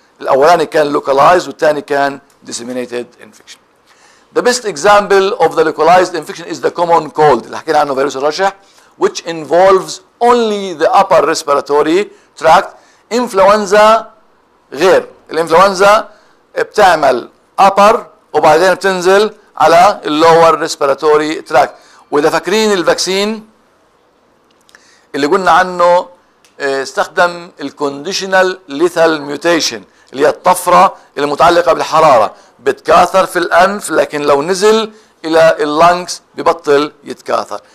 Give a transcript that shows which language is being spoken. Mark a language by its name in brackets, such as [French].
[Arabic] الأولاني كان localized والثاني كان [English] disseminated infection. The best example of the localized infection is the common cold [Arabic] اللي حكينا عنه، فيروس الرشح، [English] which involves only the upper respiratory tract. [Arabic] influenza غير، الانفلونزا بتعمل upper وبعدين بتنزل على lower respiratory tract. وإذا فاكرين الفاكسين اللي قلنا عنه استخدم الكونديشنال ليثال ميوتيشن اللي هي الطفره المتعلقه بالحراره، بتكاثر في الانف لكن لو نزل الى اللانكس ببطل يتكاثر.